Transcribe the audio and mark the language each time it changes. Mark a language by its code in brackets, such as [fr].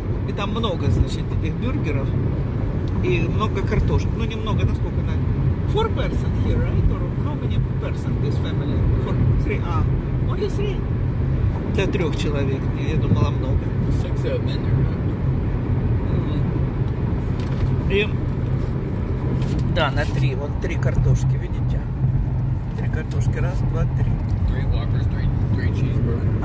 [ru] И там много, значит, этих бюргеров и много картошки. Ну, немного, насколько, наверное. [en] Four person here, right? Or how many person this family? Four, three, only three. [ru] Для трех человек, я думала, много. [en] Six of them, right? [ru] Mm-hmm. И, да, на три, вон три картошки, видите? Три картошки, раз, два, три. [en] Three walkers, three cheeseburgers.